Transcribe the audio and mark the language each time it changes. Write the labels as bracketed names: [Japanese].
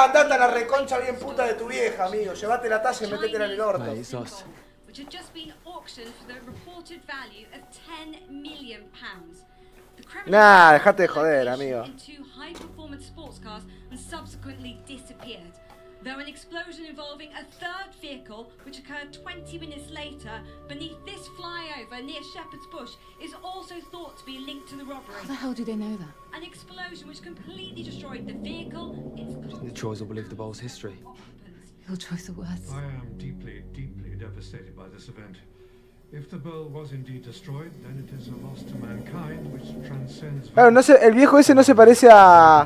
[Spanish] ¡Andate a la reconcha bien puta de tu vieja, amigo! ¡Llévate la taza y métete en el orto! Mate, sos. [English] ...which had just been auctioned for the reported value of 10 million pounds. [Spanish] ¡Nah! ¡Dejate de joder, amigo! [English] ...into high-performance sports cars and subsequently disappeared. Though an explosion involving a third vehicle, which occurred 20 minutes later, beneath this flyover near Shepherd's Bush, is also thought to be linked to the robbery. How the hell do they know that? An explosion which completely destroyed the vehicle, its... I think the choice will believe the bowl's history. Your choice of words. I am deeply, deeply devastated by this event. If the bowl was indeed destroyed, then it is a loss to mankind which transcends... [Spanish] Oh, no sé, el viejo ese no se parece a...